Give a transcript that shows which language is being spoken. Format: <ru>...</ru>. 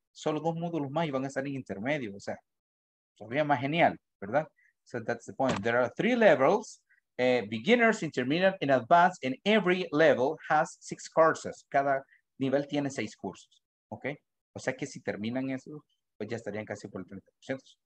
<es>Solo dos módulos más y van a estar en intermedio, o sea, todavía más genial, ¿verdad?</es> <en>So that's the point. There are three levels, beginners, intermediate, and advanced, and every level has six courses.</en> <es>Cada nivel tiene seis cursos, ¿ok? O sea que si terminan eso, pues ya estarían casi por el 30%.</es>